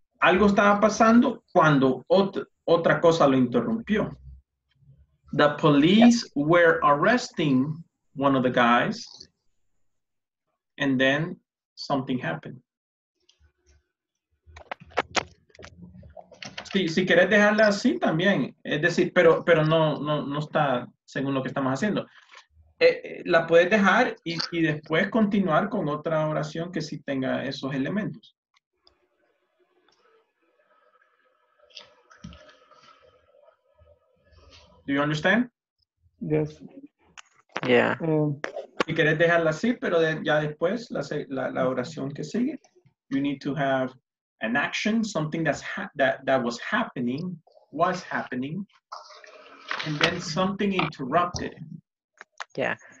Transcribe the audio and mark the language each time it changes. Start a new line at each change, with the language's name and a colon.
Spanish: Algo estaba pasando cuando otra cosa lo interrumpió.
English: The police were arresting one of the guys, and then something happened.
Spanish: Si quieres dejarla así también, es decir, pero no está según lo que estamos haciendo. La puedes dejar y después continuar con otra oración que sí tenga esos elementos.
English: Do you understand? Yes. Yeah.
Spanish: Si quieres dejarla así, pero ya después la oración que sigue.
English: You need to have an action, something that was happening, was happening, and then something interrupted. Yeah.